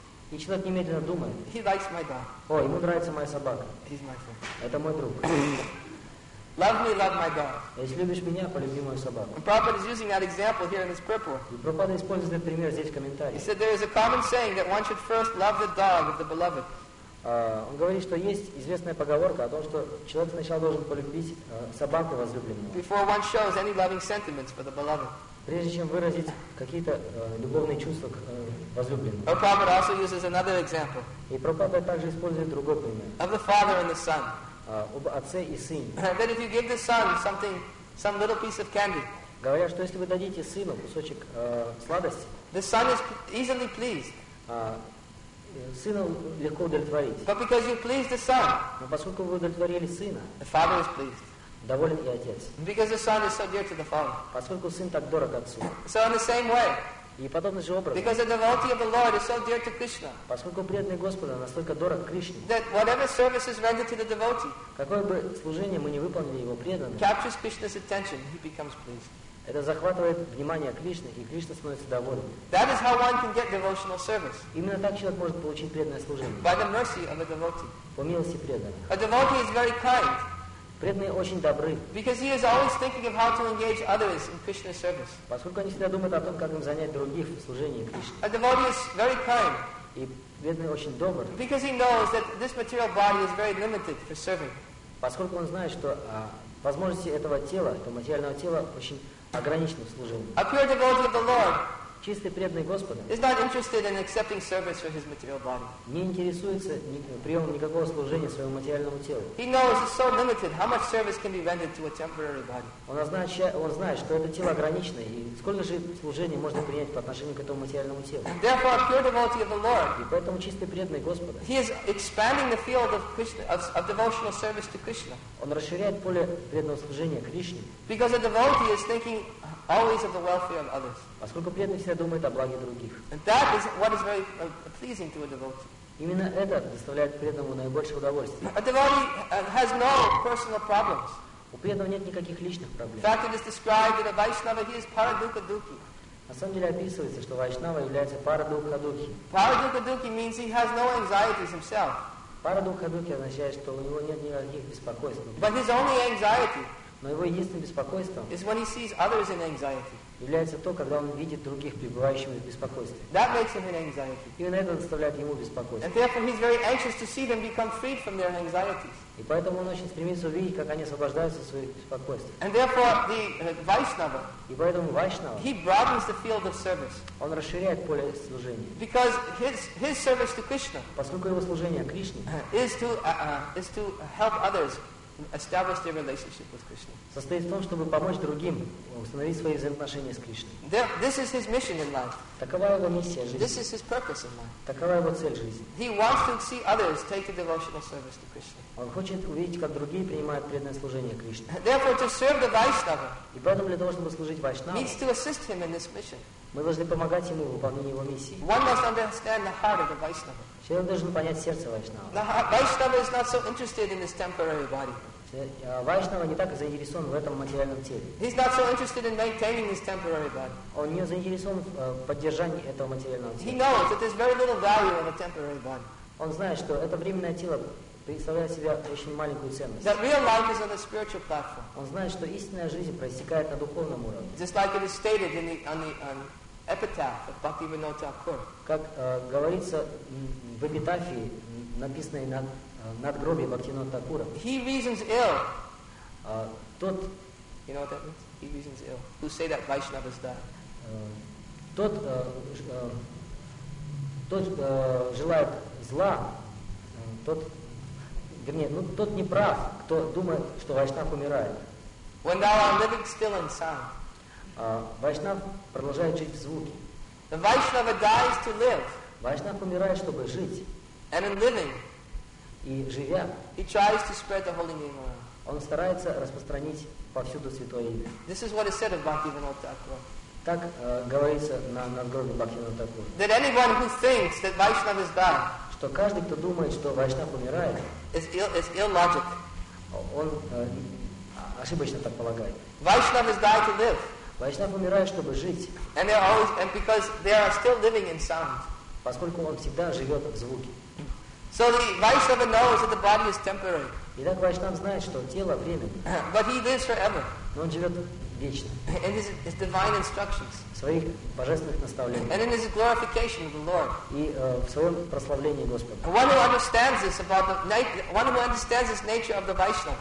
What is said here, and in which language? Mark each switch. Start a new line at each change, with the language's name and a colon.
Russian: И человек немедленно думает.
English: He likes my dog.
Russian: О, ему нравится моя собака.
English: He's my friend.
Russian: Это мой друг.
English: Love me, love my dog.
Russian: Если любишь меня, полюби мою собаку.
English: And Prabhupada is using that example here in his purport.
Russian: И Прабхупада использует этот пример здесь в комментарии.
English: He said there is a common saying that one should first love the dog of the beloved.
Russian: Он говорит, что есть известная поговорка о том, что человек сначала должен полюбить собаку возлюбленную.
English: Before one shows any loving sentiments for the beloved.
Russian: Прежде чем выразить какие-то любовные чувства к возлюбленному.
English: And Prabhupada also uses another example.
Russian: И Прабхупада также использует другой пример.
English: Of the father and the son.
Russian: Об отце и сыне.
English: That if you give the son something, some little piece of candy.
Russian: Говорят, что если вы дадите сыну кусочек сладости.
English: The son is easily pleased.
Russian: Сына легко удовлетворить.
English: But because you please the son.
Russian: Но поскольку вы удовлетворили сына.
English: The father is pleased.
Russian: Доволен и отец.
English: Because the son is so dear to the father.
Russian: Поскольку сын так дорог отцу.
English: So in the same way.
Russian: И подобным же образом.
English: Because the devotee of the Lord is so dear to Krishna.
Russian: Поскольку преданный Господа настолько дорог Кришне.
English: That whatever service is rendered to the devotee.
Russian: Какое бы служение мы не выполнили его преданным.
English: Captures Krishna's attention, he becomes pleased.
Russian: Это захватывает внимание Кришны, и Кришна становится доволен.
English: That is how one can get devotional service.
Russian: Именно так человек может получить преданное служение.
English: By the mercy of a devotee.
Russian: По милости преданного.
English: A devotee is very kind.
Russian: Преданные очень добры.
English: Because he is always thinking of how to engage others in Krishna's service.
Russian: Поскольку они всегда думают о том, как им занять других в служении Кришне.
English: A devotee is very kind.
Russian: И преданный очень добр.
English: Because he knows that this material body is very limited for serving.
Russian: Поскольку он знает, что возможности этого тела, этого материального тела, очень ограниченным служением.
English: A pure devotee of the Lord.
Russian: Чистый преданный Господа.
English: Is not interested in accepting service for his material body.
Russian: Не интересуется приемом никакого служения своему материальному телу.
English: He knows it's so limited. How much service can be rendered to a temporary body?
Russian: Он знает, что это тело ограничено, и сколько же служения можно принять по отношению к этому материальному телу.
English: And therefore, a pure devotee of the Lord.
Russian: И поэтому чистый преданный Господа.
English: He is expanding the field of Krishna, of devotional service to Krishna.
Russian: Он расширяет поле преданного служения Кришне.
English: Because a devotee is thinking always of the welfare of others.
Russian: Поскольку преданный всегда думает о благе других.
English: And that is what is very pleasing to a devotee.
Russian: Именно это доставляет преданному наибольшее удовольствие.
English: A devotee has no personal problems.
Russian: У преданного нет никаких личных проблем.
English: In fact, it is described that a Vaishnava, he is Paradukaduki.
Russian: На самом деле описывается, что Вайшнава является Парадукадуки.
English: Парадукадуки means he has no anxieties himself.
Russian: Парадукадуки означает, что у него нет никаких беспокойств.
English: But his only anxiety.
Russian: Но его единственным беспокойством
English: is when he sees others in anxiety.
Russian: Является то, когда он видит других пребывающих в беспокойстве.
English: That makes him in anxiety.
Russian: Именно это доставляет ему беспокойство.
English: And therefore he's very anxious to see them become freed from their anxieties.
Russian: И поэтому он очень стремится увидеть, как они освобождаются от своих беспокойств.
English: And therefore the Vaishnava.
Russian: И поэтому Вайшнава.
English: He broadens the field of service.
Russian: Он расширяет поле служения.
English: Because his service to Krishna.
Russian: Поскольку его служение Кришне.
English: Is to help others. Establish their relationship with Krishna.
Russian: Состоит в том, чтобы помочь другим установить свои взаимоотношения с Кришной.
English: This is his mission in life.
Russian: Такова его миссия в жизни.
English: This is his purpose in life.
Russian: Такова его цель в жизни.
English: He wants to see others take the devotional service to Krishna.
Russian: Он хочет увидеть, как другие принимают преданное служение Кришне.
English: Therefore, to serve the Vaishnava.
Russian: И поэтому для того, чтобы служить Вайшнаву.
English: Needs to assist him in this mission.
Russian: Мы должны помогать ему в выполнении его миссии.
English: One must understand the heart of the Vaishnava.
Russian: Человек должен понять сердце Вайшнава.
English: The Vaishnava is not so interested in this temporary body.
Russian: Вайшнава не так заинтересован в этом материальном теле.
English: He's not so interested in maintaining his temporary body.
Russian: Он не заинтересован в поддержании этого материального тела.
English: He knows that there's very little value in a temporary body.
Russian: Он знает, что это временное тело представляет себя очень маленькую ценность.
English: That real life is on a spiritual platform.
Russian: Он знает, что истинная жизнь проистекает на духовном уровне.
English: Just like it is stated in on epitaph of Bhaktivinoda Thakur.
Russian: Как говорится в эпитафии, написанной на надгробии Бхактивинода Такура.
English: He reasons ill.
Russian: Тот,
English: you know what that means? He reasons ill. Who say that Vaishnavas die?
Russian: Тот желает зла. Тот не прав, кто думает, что Вайшнав умирает.
English: When thou art living still in sound.
Russian: Вайшнав продолжает жить в звуке.
English: The Vaishnava dies to live.
Russian: Вайшнав умирает, чтобы жить.
English: And in living,
Russian: и живя,
English: he tries to spread the holy name.
Russian: Он старается распространить повсюду святое имя.
English: This is what is said of Bhaktivinoda Thakura.
Russian: Так говорится на надгробии Бхактивинода Такура.
English: That anyone who thinks that Vaishnava is dead,
Russian: что каждый, кто думает, что Вайшнав умирает,
English: is illogic.
Russian: Он ошибочно так полагает.
English: Vaishnava is dying to live.
Russian: Вайшнав умирает, чтобы жить.
English: And they are always, and because they are still living in sound.
Russian: Поскольку он всегда живет в звуке.
English: So the Vaishnava knows that the body is temporary.
Russian: Итак, Вайшнав знает, что тело временное.
English: But he lives forever.
Russian: Но он живет вечно.
English: In his divine instructions.
Russian: В своих божественных наставлениях.
English: And in his glorification of the Lord.
Russian: И в своем прославлении Господа.
English: One who understands this about the one who understands this nature of the Vaishnava.